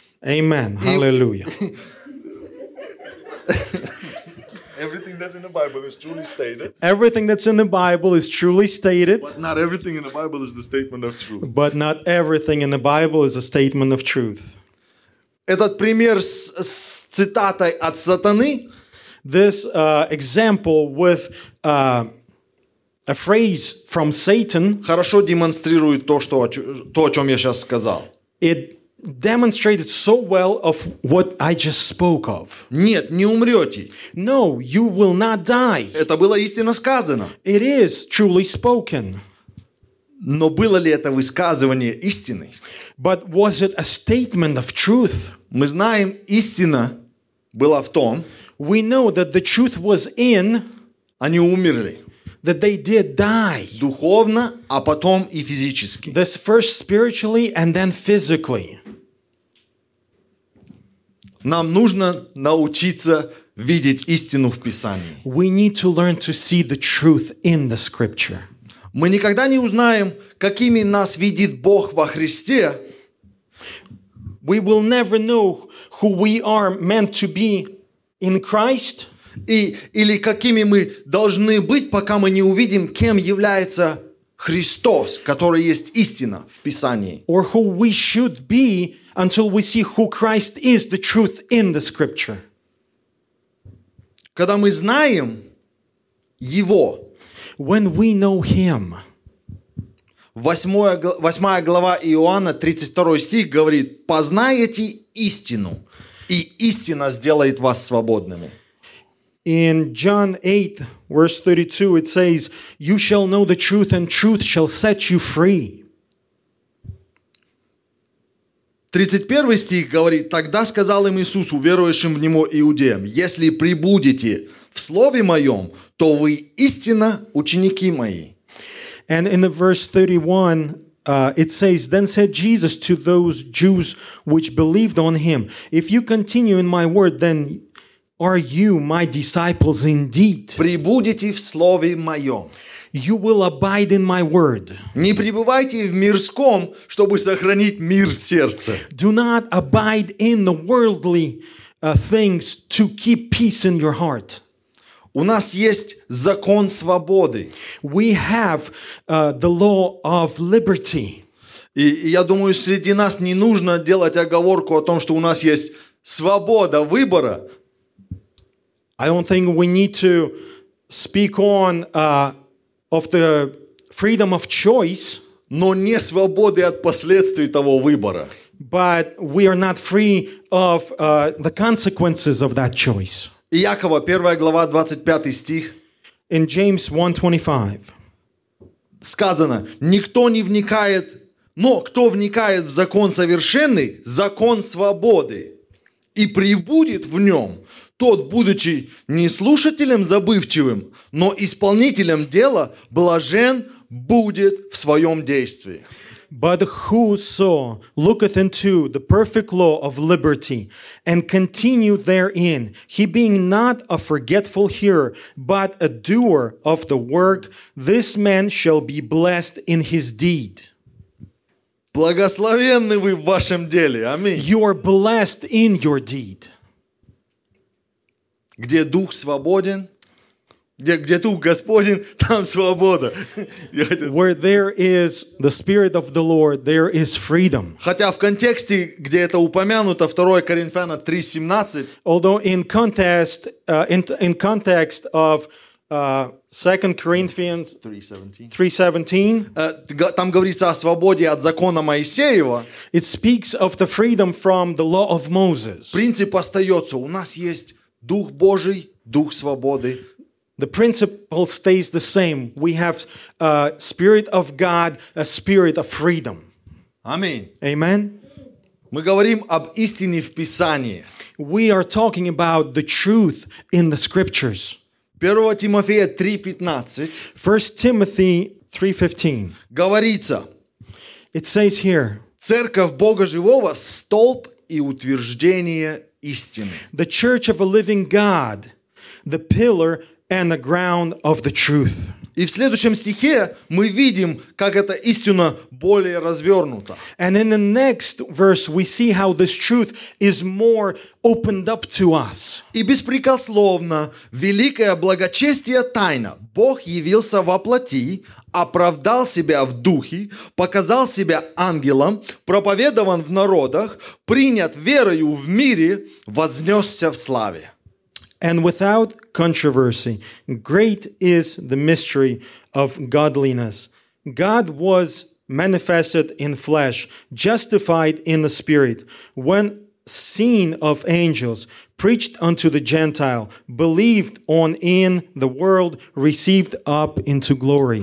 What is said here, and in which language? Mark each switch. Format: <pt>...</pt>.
<en>Amen. Hallelujah. Everything that's in the Bible is truly stated. Everything that's in the Bible is truly stated. But not everything in the Bible is the statement of truth. But not everything in the Bible is a statement of truth.</en> <ru>Этот пример с цитатой от сатаны.</ru> <en>This example with a phrase from Satan.</en> <ru>Хорошо демонстрирует то, о чем я сейчас сказал.</ru> <en>It demonstrated so well of what I just spoke of.</en> <ru>Нет, не умрете.</ru> <en>No, you will not die.</en> <ru>Это было истинно сказано.</ru> <en>It is truly spoken.</en> <ru>Но было ли это высказывание истины?</ru> <en>But was it a statement of truth?</en> <ru>Мы знаем, истина была в том,</ru> <en>we know that the truth was in,</en> <ru>они умерли,</ru> <en>that they did die,</en> <ru>духовно, а потом и физически.</ru> <en>This first spiritually and then physically.</en> <ru>Нам нужно научиться видеть истину в Писании.</ru> <en>We need to learn to see the truth in the scripture.</en> <ru>Мы никогда не узнаем, какими нас видит Бог во Христе.</ru> <en>We will never know who we are meant to be in Christ.</en> <ru>И, или какими мы должны быть, пока мы не увидим, кем является Христос, который есть истина в Писании.</ru> <en>Or who we should be until we see who Christ is, the truth in the Scripture.</en> <ru>Когда мы знаем Его,</ru> <en>when we know Him.</en> <ru>8 глава Иоанна, 32 стих говорит, познаете истину, и истина сделает вас свободными.</ru> <en>In John 8, verse 32, it says, you shall know the truth, and truth shall set you free.</en> <ru>31 стих говорит, тогда сказал им Иисус, уверовавшим в Него иудеям, если пребудете в Слове Моем, то вы истинно ученики Мои.</ru> <en>And in the verse 31, it says, then said Jesus to those Jews which believed on Him, if you continue in My word, then are you My disciples indeed?</en> <ru>Пребудете в Слове Моем.</ru> <en>You will abide in My word.</en> <ru>Не пребывайте в мирском, чтобы сохранить мир в сердце.</ru> <en>Do not abide in the worldly things to keep peace in your heart.</en> <ru>У нас есть закон свободы.</ru> <en>We have the law of liberty.</en> <ru>И я думаю, среди нас не нужно делать оговорку о том, что у нас есть свобода выбора.</ru> <en>I don't think we need to speak on of the freedom of choice.</en> <ru>Но не свободы от последствий того выбора.</ru> <en>But we are not free of the consequences of that choice.</en> <ru>Иакова, 1 глава, 25 стих.</ru> <en>In James 1:25.</en> <ru>Сказано, никто не вникает, но кто вникает в закон совершенный, закон свободы, и пребудет в нем, тот, будучи не слушателем забывчивым, но исполнителем дела, блажен будет в своем действии.</ru> <en>But whoso looketh into the perfect law of liberty and continue therein, he being not a forgetful hearer, but a doer of the work, this man shall be blessed in his deed.</en> <ru>Благословенны вы в вашем деле. Аминь.</ru> <en>You are blessed in your deed.</en> <ru>Где дух свободен, где дух Господень, там свобода.</ru> <en>Where there is the Spirit of the Lord, there is freedom.</en> <ru>Хотя в контексте, где это упомянуто, 2 Коринфянам 3:17.</ru> <en>Although in context of 2 Corinthians 3:17,</en> <ru>там говорится о свободе от закона Моисеева.</ru> <en>It speaks of the freedom from the law of Moses.</en> <ru>Принцип остается. У нас есть Дух Божий, Дух свободы.</ru> <en>The principle stays the same. We have a Spirit of God, a Spirit of freedom. Amen. Amen.</en> <ru>Мы говорим об истине в Писании.</ru> <en>We are talking about the truth in the Scriptures.</en> <ru>1 Тимофея 3:15.</ru> <en>1 Timothy 3:15.</en> <ru>Говорится.</ru> <en>It says here.</en> <ru>Церковь Бога живого – столб и утверждение истины.</ru> <en>The Church of a Living God, the pillar and the ground of the truth.</en> <ru>И в следующем стихе мы видим, как эта истина более развернута.</ru> <en>And in the next verse we see how this truth is more opened up to us.</en> <ru>И беспрекословно великое благочестие тайна. Бог явился во плоти, оправдал себя в духе, показал себя ангелом, проповедован в народах, принят верою в мире, вознесся в славе.</ru> <en>And without controversy, great is the mystery of godliness. God was manifested in flesh, justified in the Spirit, when seen of angels, preached unto the Gentile, believed on in the world, received up into glory.</en>